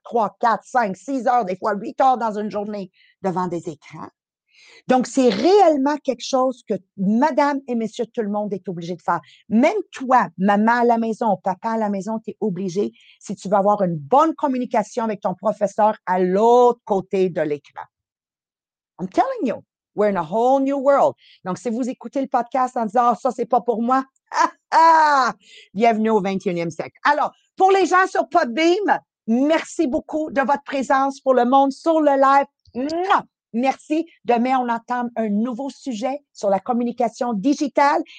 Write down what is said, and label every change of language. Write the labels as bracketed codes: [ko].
[fr] 3, 4, 5, 6 heures, des fois 8 heures dans une journée devant des écrans. Donc, c'est réellement quelque chose que madame et monsieur tout le monde est obligé de faire. Même toi, maman à la maison, papa à la maison, tu es obligé, si tu veux avoir une bonne communication avec ton professeur à l'autre côté de l'écran. [en] I'm telling you, we're in a whole new world. [fr] Donc, si vous écoutez le podcast en disant, oh, ça, c'est pas pour moi, bienvenue au 21e siècle. Alors, pour les gens sur Podbeam, merci beaucoup de votre présence pour le monde sur le live. Merci. Demain, on entame un nouveau sujet sur la communication digitale.